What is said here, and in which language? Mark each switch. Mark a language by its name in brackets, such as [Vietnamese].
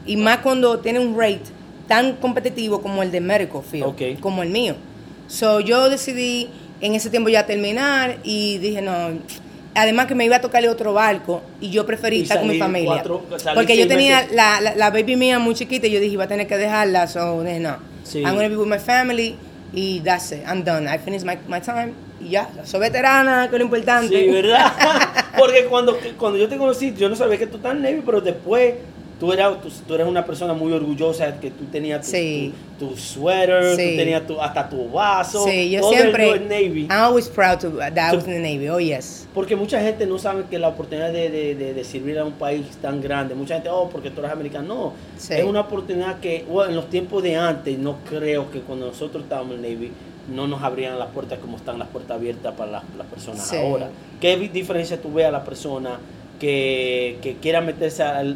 [Spanish] Y más cuando tiene un rate tan competitivo como el de medical field, okay. Como el mío. So, yo decidí en ese tiempo ya terminar y dije, no, además que me iba a tocar el otro barco y yo preferí estar con mi familia. Porque yo tenía la baby mía muy chiquita y yo dije, iba a tener que dejarla. So, dije, no, sí. [English] I'm going to be with my family y that's it, I'm done. I finished my time [Spanish] y ya. Soy veterana, que es lo importante. Sí, ¿verdad? Porque cuando yo te conocí, yo no sabía que tú estás en Navy, pero después... Tú eres una persona muy orgullosa, que tú tenías tu sweater, sí. Tú tenías hasta tu vaso. Sí, yo siempre, el Navy. [English] I'm always proud that I was in the Navy, oh yes. [Spanish] Porque mucha gente no sabe que la oportunidad de servir a un país tan grande, mucha gente, porque tú eres americano. No, sí. Es una oportunidad que, en los tiempos de antes, no creo que cuando nosotros estábamos en el Navy, no nos abrían las puertas como están las puertas abiertas para las personas ahora. ¿Qué diferencia tú ves a la persona que quiera meterse al...